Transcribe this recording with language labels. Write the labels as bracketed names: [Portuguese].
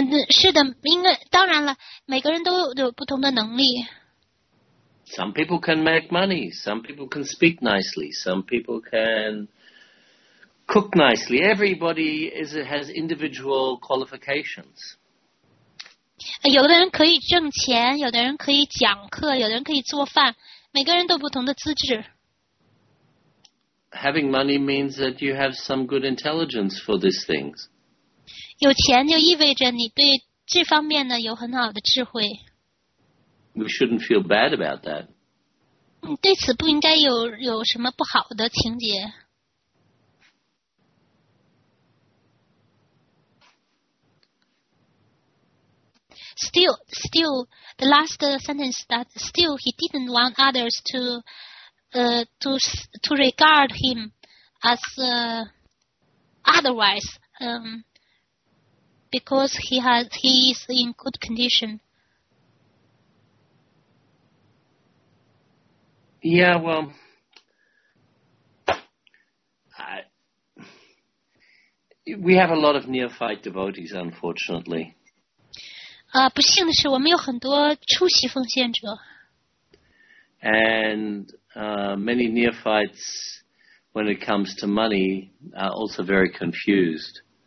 [Chinese] 是的, 因为当然了, [English] some people can make money, some people can speak nicely, some people can cook nicely. Everybody has individual qualifications. [Chinese] 有的人可以挣钱, 有的人可以讲课, 有的人可以做饭, 每个人都不同的资质。 [English] Having money means that you have some good intelligence for these things. [Chinese] 有钱就意味着你对这方面呢有很好的智慧。 [English] We shouldn't feel bad about that. [Chinese] 对此不应该有什么不好的情节。 [English] Still, the last sentence that still he didn't want others to regard him as otherwise because he is in good condition. Yeah, well, we have a lot of neophyte devotees, unfortunately. [Chinese] 不幸的是我们有很多初期奉献者。 [English] And many neophytes, when it comes to money, are also very confused.